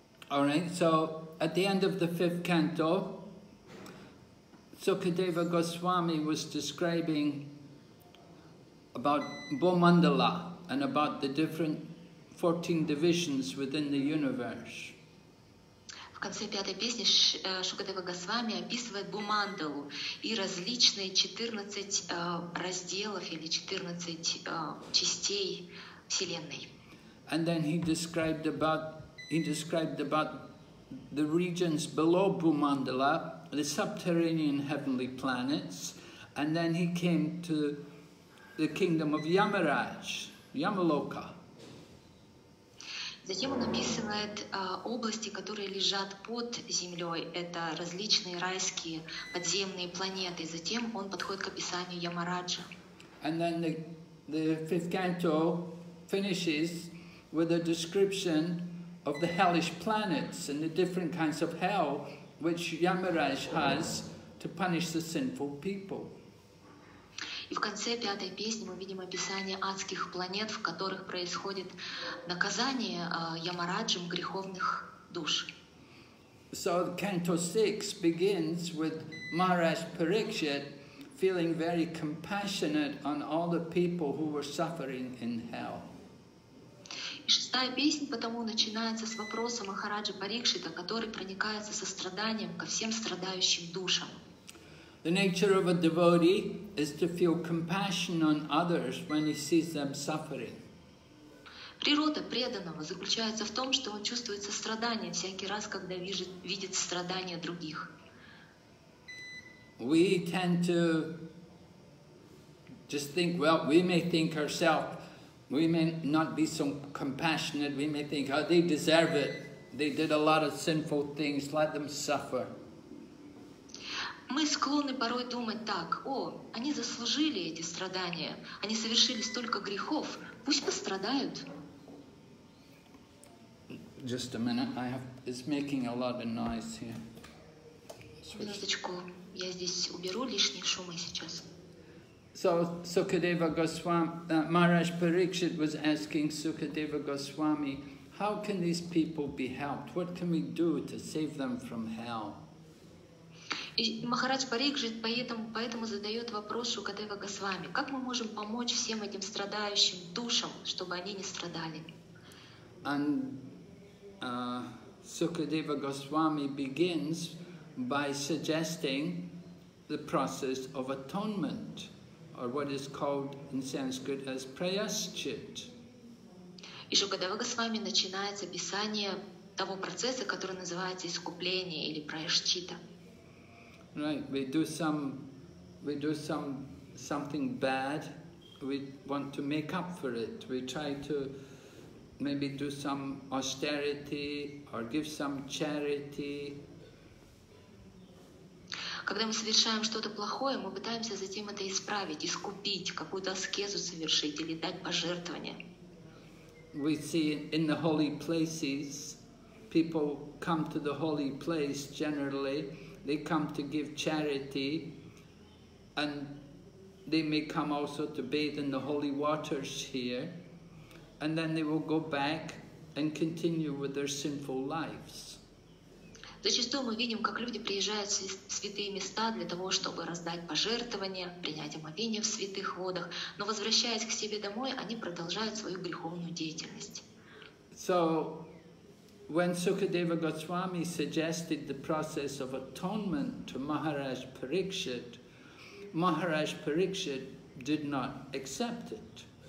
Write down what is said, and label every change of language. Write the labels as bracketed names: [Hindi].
[English] All right, so at the end of the fifth canto, Sukadeva Goswami was describing about Bhumandala and about the different 14 divisions within the universe. [Russian] В конце пятой песни Шукадева Госвами описывает Бумандалу и различные 14 разделов или 14 частей Вселенной. [English] And then he described about the regions below Бумандала, the subterranean heavenly planets, and then he came to the kingdom of Yamaraj, Yamaloka. [Russian] Затем он описывает области, которые лежат под землей, это различные райские подземные планеты. Затем он подходит к описанию Ямараджа. [English] And then the fifth canto finishes with a description of the hellish planets and the different kinds of hell which Yamaraj has to punish the sinful people. [Russian] И в конце пятой песни мы видим описание адских планет, в которых происходит наказание Ямараджем греховных душ. [English] So canto 6 begins with Maharaj Parikshit feeling very compassionate on all the people who were suffering in hell. [Russian] И шестая песня потому начинается с вопроса Махараджа Парикшита, который проникается состраданием ко всем страдающим душам. [English] The nature of a devotee is to feel compassion on others when he sees them suffering. [Russian] Природа преданного заключается в том, что он чувствует сострадание всякий раз, когда видит страдания других. [English] We tend to just think, well, we may think ourselves, we may not be so compassionate, we may think, oh, they deserve it. They did a lot of sinful things, let them suffer. [Russian] Мы склонны порой думать так, о, они заслужили эти страдания, они совершили столько грехов, пусть пострадают. [English] Just a minute, it's making a lot of noise here. [Russian] Минуточку, я здесь уберу лишние шумы сейчас. [English] So Sukadeva Goswami, Maharaj Parikshit was asking Sukadeva Goswami, how can these people be helped? What can we do to save them from hell? [Russian] И Махарадж Парикшит поэтому задает вопрос Шукадева Госвами. Как мы можем помочь всем этим страдающим душам, чтобы они не страдали? [English] And Sukadeva Goswami begins by suggesting the process of atonement, or what is called in Sanskrit as prayaschit. [Russian] И Шукадева Госвами начинается описание того процесса, который называется искупление или прайшчита. [English] Right, we do something bad, we want to make up for it. We try to maybe do some austerity or give some charity. [Russian] Когда мы совершаем что-то плохое, мы пытаемся затем это исправить, искупить, какую-то аскезу совершить или дать пожертвование. [English] We see in the holy places, people come to the holy place generally, they come to give charity, and they may come also to bathe in the holy waters here, and then they will go back and continue with their sinful lives. [Russian] Зачастую мы видим, как люди приезжают в святые места для того, чтобы раздать пожертвования, принять омовение в святых водах, но возвращаясь к себе домой, они продолжают свою греховную деятельность. [English] So, when Sukadeva Goswami suggested the process of atonement to Maharaj Parikshit, Maharaj Parikshit did not accept it.